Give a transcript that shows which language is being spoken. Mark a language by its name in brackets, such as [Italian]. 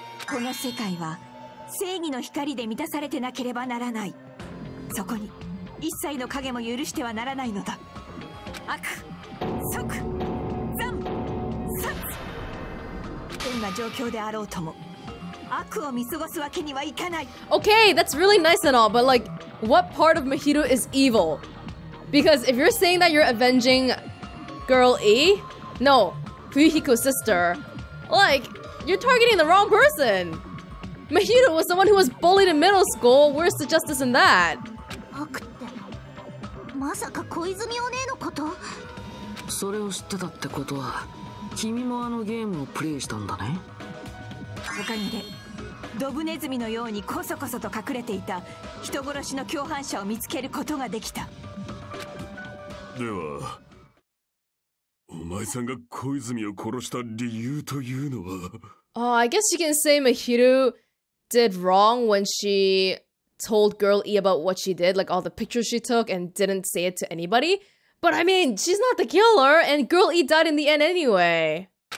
[Japanese] この世界は正義の光で満たされてなければならない。そこに一切の影も許してはならないのだ。悪即残殺。どんな状況であろうとも悪を見過ごすわけにはいかない。 [English] Okay, that's really nice and all, but like, what part of Mihiro is evil? Because if you're saying that you're avenging girl A, no, Fuhiko's sister, like, you're targeting the wrong person. Mihiro was the one who was bullied in middle school. Where's the justice in that? [Japanese] まさか小泉お姉のこと。それを知ってたってことは、君もあのゲームをプレイしたんだね。他にでドブネズミのようにこそこそと隠れていた人殺しの共犯者を見つけることができた。ではお前さんが小泉を殺した理由というのは。 [English] I guess you can say Mihiro did wrong when sheTold girl E about what she did, like all the pictures she took, and didn't say it to anybody. But I mean, she's not the killer, and girl E died in the end anyway.